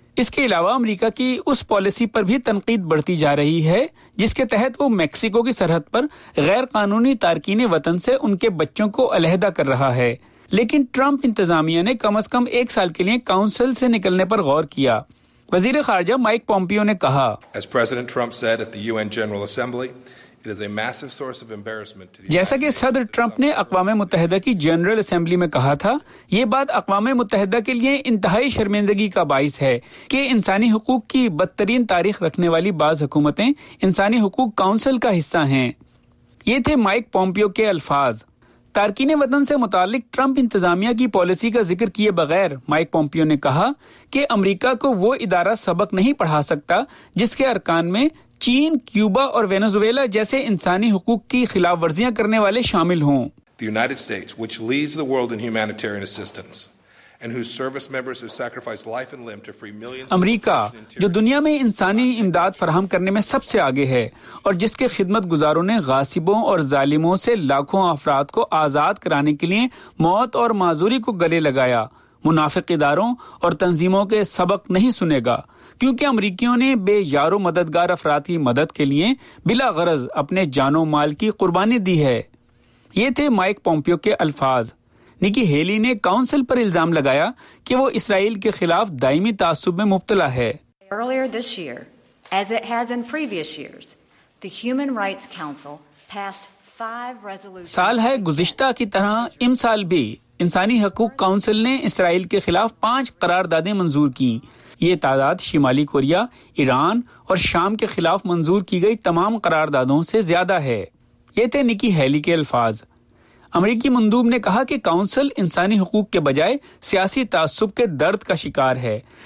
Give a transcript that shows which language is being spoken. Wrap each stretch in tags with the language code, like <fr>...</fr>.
<ur>اس کے علاوہ امریکہ کی اس پالیسی پر بھی تنقید بڑھتی جا رہی ہے جس کے تحت وہ میکسیکو کی سرحد پر غیر قانونی تارکین وطن سے ان کے بچوں کو علیحدہ کر رہا ہے. لیکن ٹرمپ انتظامیہ نے کم از کم ایک سال کے لیے کونسل سے نکلنے پر غور کیا. وزیر خارجہ مائیک پومپیو نے کہا,</ur> <en>As President Trump said at the UN General Assembly, it is a massive source of embarrassment to the</en> <ur>جیسا کہ صدر ٹرمپ نے اقوام متحدہ کی جنرل اسمبلی میں کہا تھا, یہ بات اقوام متحدہ کے لیے انتہائی شرمندگی کا باعث ہے کہ انسانی حقوق کی بدترین تاریخ رکھنے والی بعض حکومتیں انسانی حقوق کونسل کا حصہ ہیں. یہ تھے مائیک پومپیو کے الفاظ. تارکین وطن سے متعلق ٹرمپ انتظامیہ کی پالیسی کا ذکر کیے بغیر مائیک پومپیو نے کہا کہ امریکہ کو وہ ادارہ سبق نہیں پڑھا سکتا جس کے ارکان میں چین, کیوبا اور وینزویلا جیسے انسانی حقوق کی خلاف ورزیاں کرنے والے شامل ہوں.</ur> <en>The United States, which leads the world in humanitarian assistance and whose service members have sacrificed life and limb to free millions</en> <ur>of امریکہ جو دنیا میں انسانی امداد فراہم کرنے میں سب سے آگے ہے, اور جس کے خدمت گزاروں نے غاصبوں اور ظالموں سے لاکھوں افراد کو آزاد کرانے کے لیے موت اور معذوری کو گلے لگایا, منافق اداروں اور تنظیموں کے سبق نہیں سنے گا, کیونکہ امریکیوں نے بے یار و مددگار افراد کی مدد کے لیے بلا غرض اپنے جان و مال کی قربانی دی ہے. یہ تھے مائیک پومپیو کے الفاظ. نکی ہیلی نے کاؤنسل پر الزام لگایا کہ وہ اسرائیل کے خلاف دائمی تعصب میں مبتلا ہے.</ur> <en>Earlier this year, as it has in previous years, the Human Rights Council passed five resolutions.</en> <ur>سال ہے گزشتہ کی طرح ام سال بھی انسانی حقوق کاؤنسل نے اسرائیل کے خلاف پانچ قراردادیں منظور کیں. یہ تعداد شمالی کوریا, ایران اور شام کے خلاف منظور کی گئی تمام قراردادوں سے زیادہ ہے. یہ تھے نکی ہیلی کے الفاظ. امریکی مندوب نے کہا کہ کاؤنسل انسانی حقوق کے بجائے سیاسی تعصب کے درد کا شکار ہے.</ur>